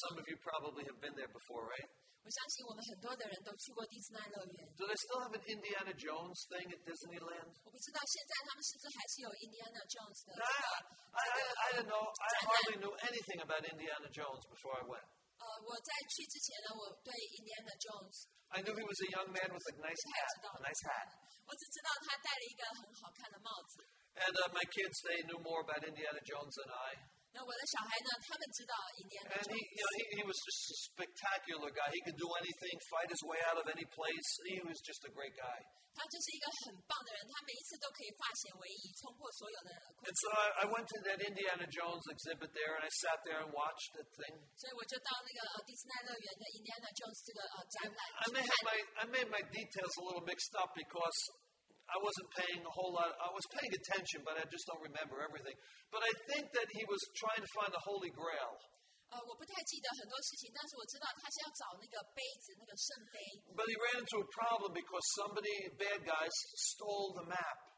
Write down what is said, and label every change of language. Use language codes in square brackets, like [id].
[en] some of you probably have been there before, right? [zh] 我相信我们很多的人都去过迪士尼乐园。 [en] Do they still have an Indiana Jones thing at Disneyland? [zh] 我不知道现在他们是不是还是有Indiana Jones 的。 [en] I don't know. I hardly knew anything about Indiana Jones before I went. [zh] 我在去之前呢，我对Indiana Jones. [en] I knew he was a young man with a nice hat. And my kids, they knew more about Indiana Jones than I. [zh] 那我的小孩呢，他们知道Indiana [en] Jones. And he was just a spectacular guy. He could do anything, fight his way out of any place. He was just a great guy. [zh] 他就是一个很棒的人，他每一次都可以化险为夷，冲破所有的困境。 [en] And so I went to that Indiana Jones exhibit there, and I sat there and watched that thing. [zh] 所以我就到那个迪士尼乐园的Indiana Jones这个展览。 [en] I made my details a little mixed up because I wasn't paying a whole lot. I was paying attention, but I just don't remember everything. But I think that he was trying to find the Holy Grail. [zh] 我不太记得很多事情，但是我知道他是要找那个杯子，那个圣杯。 [en] But he ran into a problem because somebody, bad guys, stole the map.